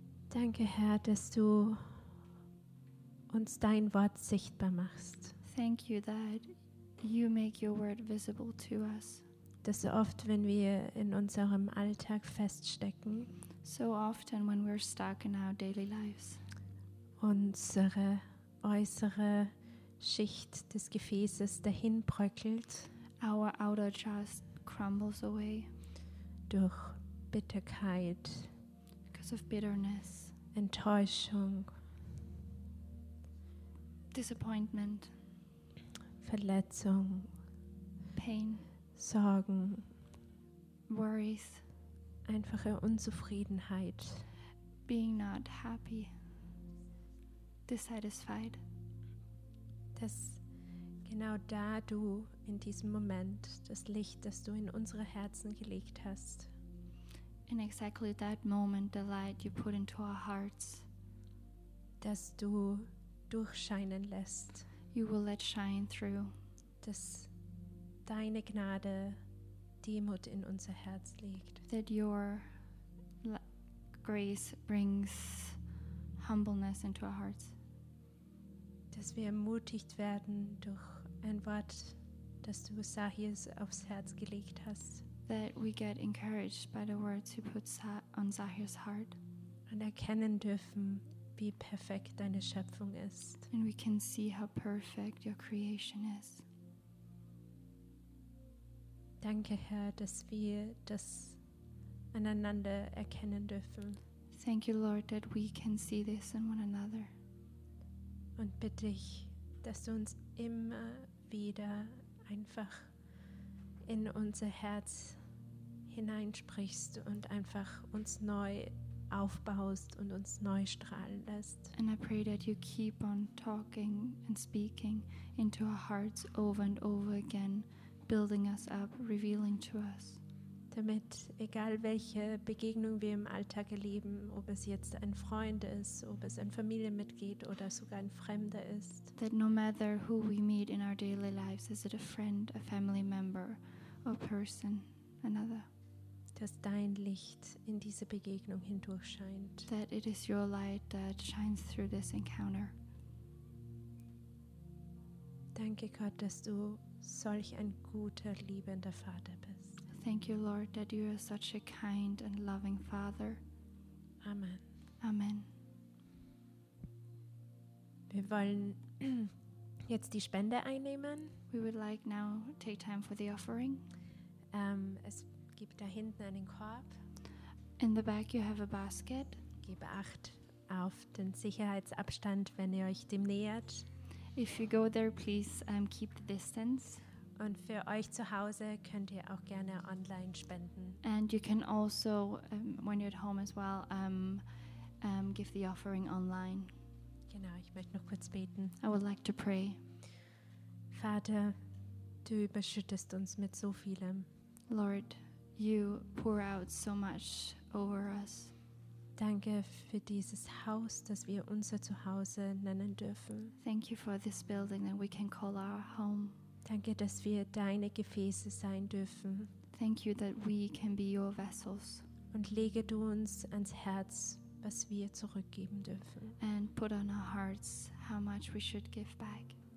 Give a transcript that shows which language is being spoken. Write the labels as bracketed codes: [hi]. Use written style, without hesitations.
[de] Danke, Herr, dass du uns dein Wort sichtbar machst. [en] Thank you that you make your word visible to us. [de] Dass so oft, wenn wir in unserem Alltag feststecken, [en] so often when we're stuck in our daily lives, [de] unsere äußere Schicht des Gefäßes dahin bröckelt. [en] Our outer just crumbles away. [de] Durch Bitterkeit. [en] Because of bitterness. [de] Enttäuschung. [en] Disappointment. [de] Verletzung. [en] Pain. [de] Sorgen. [en] Worries. [de] Einfache Unzufriedenheit. [en] Being not happy. Dissatisfied. [de] Dass genau da du in diesem Moment das Licht, das du in unsere Herzen gelegt hast, [en] in exactly that moment the light you put into our hearts, [de] dass du durchscheinen lässt, [en] you will let shine through, [de] dass deine Gnade Demut in unser Herz legt, [en] that your grace brings humbleness into our hearts, [de] dass wir ermutigt werden durch ein Wort, das du Sahir aufs Herz gelegt hast. [en] That we get encouraged by the words you put on Sahir's heart. [de] Und erkennen dürfen, wie perfekt deine Schöpfung ist. [en] And we can see how perfect your creation is. [de] Danke, Herr, dass wir das aneinander erkennen dürfen. [en] Thank you, Lord, that we can see this in one another. [de] Und bitte dich, dass du uns immer wieder einfach in unser Herz hineinsprichst und einfach uns neu aufbaust und uns neu strahlen lässt. [en] And I pray that you keep on talking and speaking into our hearts over and over again, building us up, revealing to us. [de] Damit, egal welche Begegnung wir im Alltag erleben, ob es jetzt ein Freund ist, ob es ein Familienmitglied oder sogar ein Fremder ist, [en] that no matter who we meet in our daily lives, is it a friend, a family member, or person, another, [de] dass dein Licht in diese Begegnung hindurch scheint, [en] that it is your light that shines through this encounter. [de] Danke, Gott, dass du solch ein guter, liebender Vater bist. [en] Thank you, Lord, that you are such a kind and loving Father. [de] Amen. [en] Amen. [de] Wir wollen jetzt die Spende einnehmen. [en] We would like now take time for the offering. [de] Es gibt da hinten einen Korb. [en] In the back you have a basket. [de] Gebe Acht auf den Sicherheitsabstand, wenn ihr euch dem nähert. [en] If you go there, please keep the distance. [de] Und für euch zu Hause könnt ihr auch gerne online spenden. [en] And you can also, when you're at home as well, give the offering online. [de] Genau, ich möchte noch kurz beten. [en] I would like to pray. [de] Vater, du überschüttest uns mit so vielem. [en] Lord, you pour out so much over us. [de] Danke für dieses Haus, das wir unser Zuhause nennen dürfen. [en] Thank you for this building that we can call our home. [de] Danke, dass wir deine Gefäße sein dürfen. [en] Thank you that we can be your vessels. [de] Und lege du uns ans Herz, was wir zurückgeben dürfen. [en] And put on our hearts how much we should give back.